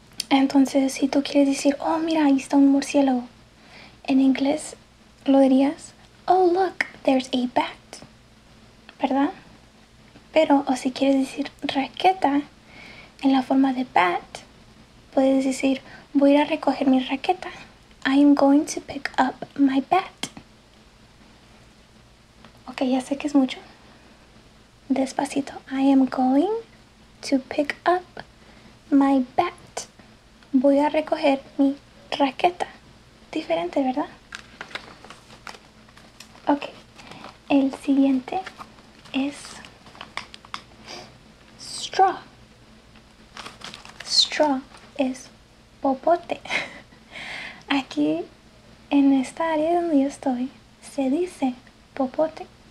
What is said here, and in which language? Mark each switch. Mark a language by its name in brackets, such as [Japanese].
[Spanish] Entonces, si tú quieres decir, oh, mira, ahí está un murciélago, en inglés lo dirías, [English] oh, look, there's a bat. [Spanish] ¿Verdad? Pero, o si quieres decir raqueta, en la forma de bat, puedes decir, voy a ir a recoger mi raqueta. [English] I'm going to pick up my bat. Ok, [Spanish] ya sé que es mucho. Despacito. [English] I am going to pick up my bat. [Spanish] Voy a recoger mi raqueta. Diferente, ¿verdad? Ok, el siguiente es straw. Straw es popote. Aquí en esta área donde yo estoy se dice popote.